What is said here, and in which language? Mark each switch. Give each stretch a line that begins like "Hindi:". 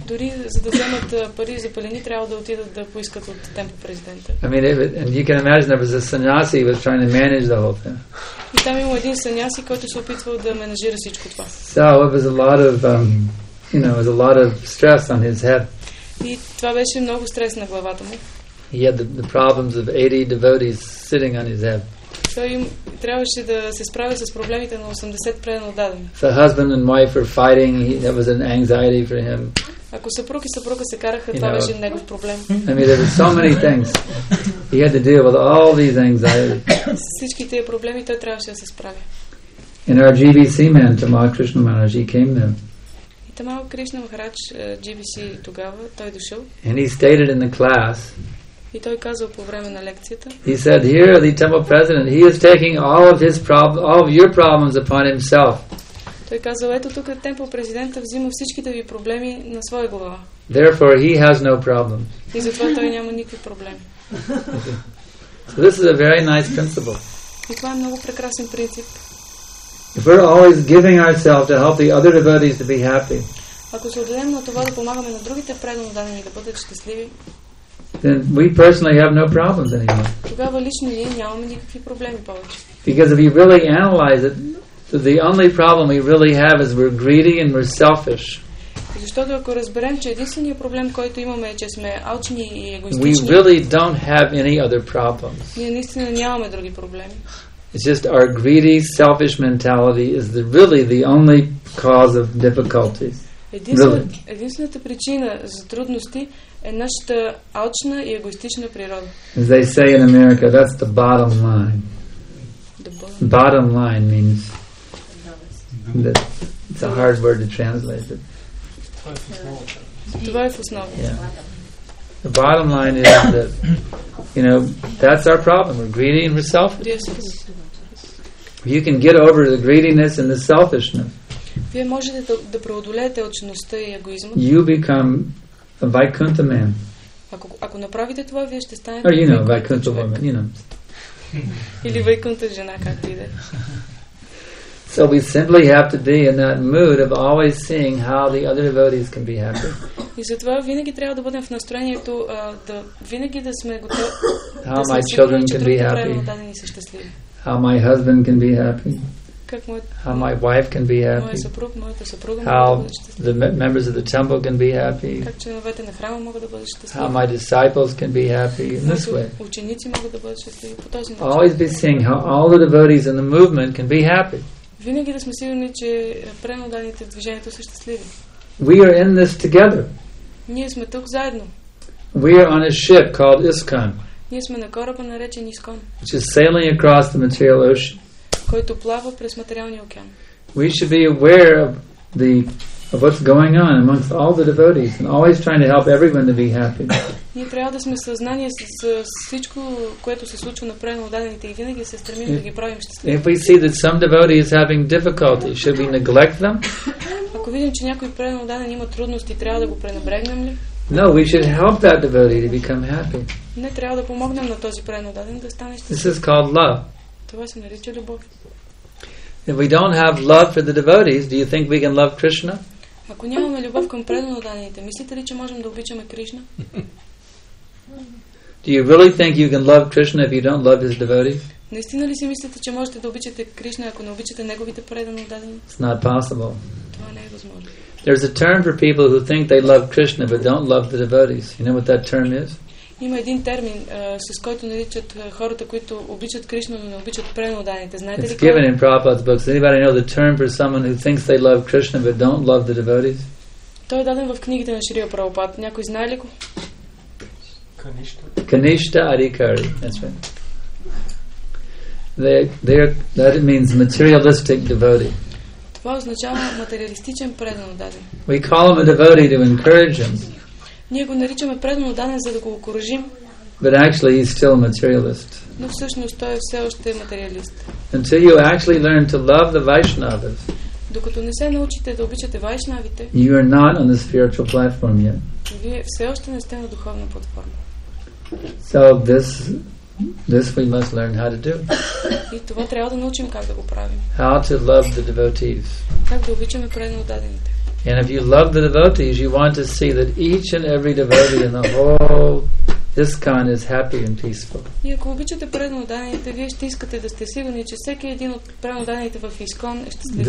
Bulgarian: Дори за да вземат пари за пелени, трябва да отидат да поискат от темпо президента.
English: I mean, and you can imagine there was a sannyasi who was trying to manage the whole thing.
Bulgarian: И там има един сънняси, който се опитвал да менажира всичко това.
English: So it was a lot of, you know, it was a lot of stress on his head.
Bulgarian: И това беше много стрес на главата му.
English: He had the problems of 80 devotees sitting on his head.
Bulgarian: So им трябваше да се справи с проблемите на 80 предано дадени.
English: The husband and wife were fighting. That was an anxiety for him.
Bulgarian: Ако съпруг и съпруга се караха, това беше негов проблем.
English: I mean, there were so many things. He had to deal with all these anxieties.
Bulgarian: С всички тези проблеми той трябваше да се справи.
English: And our GBC man, Tamal Krishna Maharaj, he came there.
Bulgarian: Тамал Кришна Махарадж, GBC тогава, той дошъл.
English: And he stated in the class.
Bulgarian: И той казал по време на лекцията.
English: He said, "Here, the temple president, he is taking all of his problems, all of your problems upon himself."
Bulgarian: Той казал, ето тук темпл президента взима всичките ви проблеми на своя глава.
English: Therefore, he has no problem.
Bulgarian: И затова той няма никакви проблеми.
English: So this is a very nice principle.
Bulgarian: И това е много прекрасен принцип.
English: If we're always giving ourselves to help the other devotees to be happy.
Bulgarian: Ако се отдадем на това да помагаме на другите предано дадени да бъдат щастливи.
English: Then we personally have no problems anymore.
Bulgarian: Тогава лично ние нямаме никакви проблеми повече.
English: Because if you really analyze it, the only problem we really have is we're greedy and we're selfish.
Bulgarian: Защото ако разберем, че единственият проблем, който имаме, е, че сме алчни и егоистични.
English: We really don't have any other problems.
Bulgarian: Ние наистина нямаме други проблеми.
English: It's just our greedy, selfish mentality is really the only cause of difficulties.
Bulgarian: Единствената причина за трудности е нашата алчна и егоистична природа.
English: As they say in America, that's the bottom line. The bottom line means that it's a hard word to translate it.
Bulgarian: Това е в основа.
English: The bottom line is that, you know, that's our problem. We're greedy and we're selfish. If you can get over the greediness and the selfishness,
Bulgarian: вие можете да преодолеете алчността и егоизма.
English: You become a Vaikuntha man.
Bulgarian: Ако направите това, вие ще станете
English: Вайкунта woman, you know.
Bulgarian: Или Вайкунта жена, както иде.
English: So we simply have to be in that mood of always seeing how the other devotees can be happy.
Bulgarian: И затова винаги трябва да бъдем в настроението да винаги да сме готови.
English: How my children can be happy. How my husband can be happy. How my wife can be happy.
Bulgarian: Моя съпруг, моята съпруга.
English: How the members of the temple can be happy.
Bulgarian: Как членовете на храма могат да бъдат щастливи.
English: How my disciples can be happy in this way.
Bulgarian: Ученици могат да бъдат щастливи по този начин.
English: Always be seeing how all the devotees in the movement can be happy.
Bulgarian: Винаги да сме сигурни, че преноданите в движението са щастливи.
English: We are in this together.
Bulgarian: Ние сме тук заедно.
English: We are on a ship called ISKCON.
Bulgarian: Ние сме на кораба наречен ISKCON.
English: Which is sailing across the material ocean.
Bulgarian: Който плава през материалния океан.
English: We should be aware of what's going on amongst all the devotees and always trying to help everyone to be happy.
Bulgarian: Ние трябва да сме съзнание с всичко, което се случва на преноданите и винаги се стремим да ги правим щастливи.
English: If we see that some devotee is having difficulty, should we neglect them?
Bulgarian: Ако видим, че някой преноданен има трудности, трябва да го пренебрегнем ли?
English: No, we should help that devotee to become happy.
Bulgarian: Не, трябва да помогнем на този преноданен да стане щастлив.
English: This is called love.
Bulgarian: Това се нарича любов.
English: If we don't have love for the devotees, do you think we can love Krishna?
Bulgarian: Ако нямаме любов към преноданите, мислите ли, че можем да обичаме Кришна?
English: Do you really think you can love Krishna if you don't love his devotees?
Bulgarian: Наистина ли си мислите, че можете да обичате Кришна, ако не обичате неговите преданодадени?
English: It's not possible.
Bulgarian: Това не е възможно.
English: There's a term for people who think they love Krishna but don't love the devotees. You know what that term is?
Bulgarian: Има един термин, с който наричат хората, които обичат Кришна, но не обичат преданодадените. Знаете ли
English: какво? It's given in Prabhupada's books. Anybody know the term for someone who thinks they love Krishna but don't love the devotees?
Bulgarian: Той е даден в книгите на Шрила Прабхупад. Някой знае ли го?
English: Kanishta Adhikari. That's right. That it means materialistic devotee.
Bulgarian: Това означава материалистичен преданодаден.
English: We call him a devotee to encourage him.
Bulgarian: Ние го наричаме преданодаден, за да го окуражим.
English: But actually he's still a materialist.
Bulgarian: Но всъщност той е все още материалист.
English: Until you actually learn to love the Vaishnavas.
Bulgarian: Докато не се научите да обичате вайшнавите.
English: You are not on the spiritual platform yet.
Bulgarian: Вие все още не сте на духовна платформа.
English: So this we must learn how to do.
Bulgarian: И това трябва да научим как да го правим.
English: How to love the devotees.
Bulgarian: Как да обичаме преданодадените.
English: And if you love the devotees, you want to see that each and every devotee in the whole ISKCON is happy and peaceful.
Bulgarian: И ако обичате преданодадените, вие ще искате да сте сигурни, че всеки един от преданодадените в ISKCON е щастлив.